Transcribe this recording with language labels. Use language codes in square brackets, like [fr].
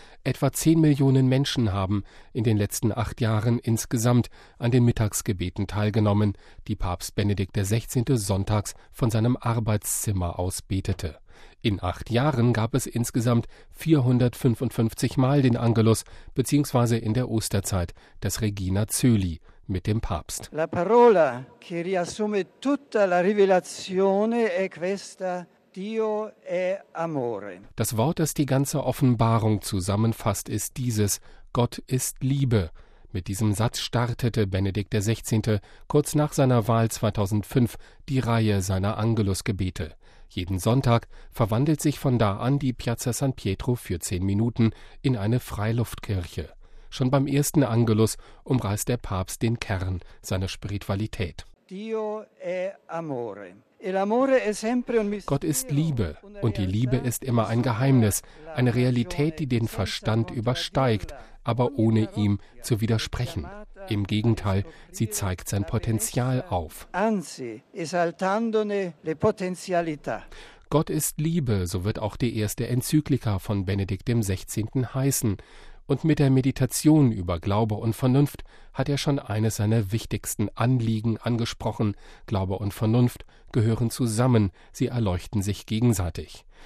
[de] Etwa 10 Millionen Menschen haben in den letzten 8 Jahren insgesamt an den Mittagsgebeten teilgenommen, die Papst Benedikt XVI. Sonntags von seinem Arbeitszimmer aus betete. In 8 Jahren gab es insgesamt 455 Mal den Angelus, beziehungsweise in der Osterzeit das Regina Coeli mit dem Papst. [it] La parola che riassume tutta la rivelazione è questa. Dio è amore. [de] Das Wort, das die ganze Offenbarung zusammenfasst, ist dieses: Gott ist Liebe. Mit diesem Satz startete Benedikt XVI. Kurz nach seiner Wahl 2005 die Reihe seiner Angelusgebete. Jeden Sonntag verwandelt sich von da an die Piazza San Pietro für 10 Minuten in eine Freiluftkirche. Schon beim ersten Angelus umreißt der Papst den Kern seiner Spiritualität. [it] Dio è amore. L'amore è sempre un mistero. [de] Gott ist Liebe und die Liebe ist immer ein Geheimnis, eine Realität, die den Verstand übersteigt, aber ohne ihm zu widersprechen. Im Gegenteil, sie zeigt sein Potenzial auf. [it] Anzi, esaltandone le potenzialità. [de] Gott ist Liebe, so wird auch die erste Enzyklika von Benedikt XVI. Heißen. Und mit der Meditation über Glaube und Vernunft hat er schon eines seiner wichtigsten Anliegen angesprochen. Glaube und Vernunft gehören zusammen, sie erleuchten sich gegenseitig.